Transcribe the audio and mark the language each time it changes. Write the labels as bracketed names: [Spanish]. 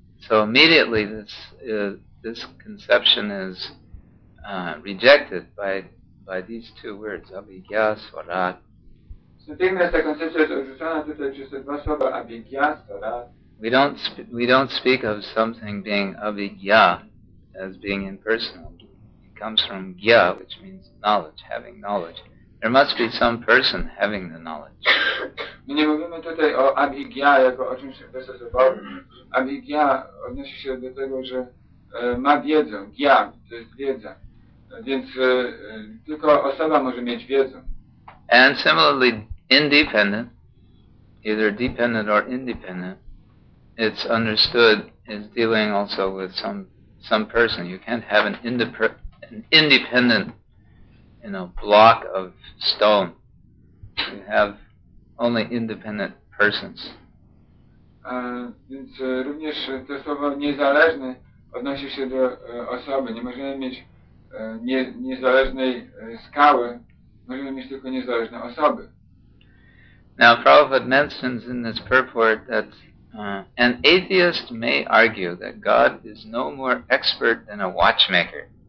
[English] So immediately this conception is rejected by these two words, abhigya swarat. [Polish] Natychmiast ta koncepcja jest odrzucona tutaj przez te dwa słowa abhigya swarat. [English] We don't speak of something being abhigya as being impersonal. It comes from gya, which means knowledge, having knowledge. There must be some person having the knowledge. [Polish] My nie mówimy tutaj o abhigya jako o czymś bezosobowym. Abhigya odnosi się do tego, że ma wiedzę. Gya to jest wiedza. Więc tylko osoba może mieć wiedzę. [English] And similarly, independent, either dependent or independent, it's understood is dealing also with some person. You can't have an independent, you know, block of stone. You have only independent persons. [Polish] Więc również to słowo niezależny odnosi się do osoby. Nie możemy mieć niezależnej skały. Możemy mieć tylko niezależne osoby. [English] Now, Prabhupada mentions in this purport that an atheist may argue that God is no more expert than a watchmaker.